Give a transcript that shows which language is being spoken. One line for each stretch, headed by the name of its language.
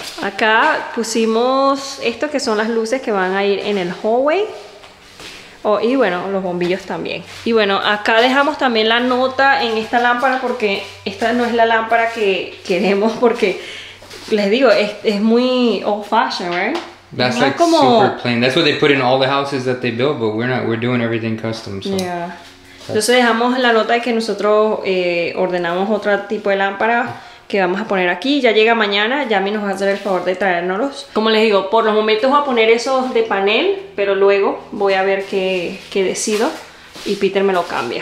Spanish: Acá pusimos estos que son las luces que van a ir en el hallway. Oh, y bueno, los bombillos también. Y bueno, acá dejamos también la nota en esta lámpara, porque esta no es la lámpara que queremos, porque les digo, es muy
English: old fashioned, right? That's like como super plain. That's what they put in all the houses that they build, but we're doing everything custom, so. Yeah.
Spanish: Entonces dejamos la nota de que nosotros ordenamos otro tipo de lámpara que vamos a poner aquí. Ya llega mañana, Yami nos va a hacer el favor de traérnoslos. Como les digo, por los momentos voy a poner esos de panel, pero luego voy a ver qué decido y Peter me lo cambia.